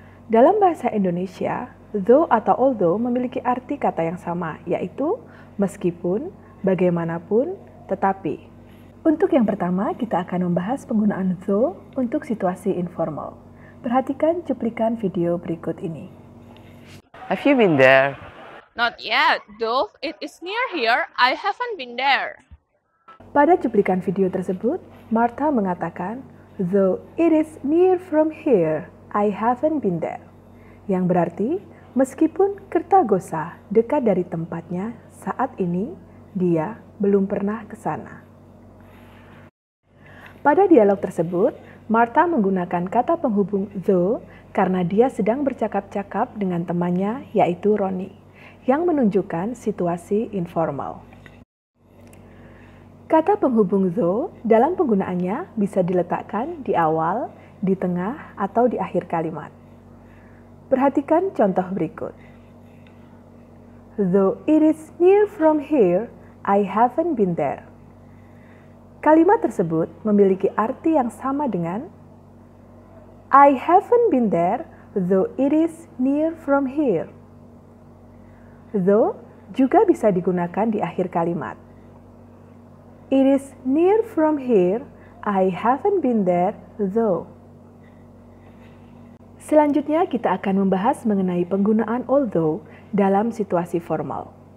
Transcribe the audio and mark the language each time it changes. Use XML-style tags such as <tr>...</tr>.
<id>Dalam bahasa Indonesia, though atau although memiliki arti kata yang sama, yaitu meskipun, bagaimanapun, tetapi. Untuk yang pertama, kita akan membahas penggunaan though untuk situasi informal. Perhatikan cuplikan video berikut ini.</id> <en>Have you been there? Not yet, though it is near here, I haven't been there.</en> <id>Pada cuplikan video tersebut, Martha mengatakan,</id> <en>though it is near from here, I haven't been there.</en> <id>Yang berarti, meskipun Cartagena dekat dari tempatnya, saat ini dia belum pernah ke sana. Pada dialog tersebut, Martha menggunakan kata penghubung though karena dia sedang bercakap-cakap dengan temannya yaitu Ronnie, yang menunjukkan situasi informal. Kata penghubung though dalam penggunaannya bisa diletakkan di awal, di tengah, atau di akhir kalimat. Perhatikan contoh berikut.</id> <en>Though it is near from here, I haven't been there.</en> <id>Kalimat tersebut memiliki arti yang sama dengan</id> <en>I haven't been there, though it is near from here.</en> <id>Though juga bisa digunakan di akhir kalimat.</id> <en>It is near from here, I haven't been there, though.</en> <id>Selanjutnya kita akan membahas mengenai penggunaan although dalam situasi formal.</id>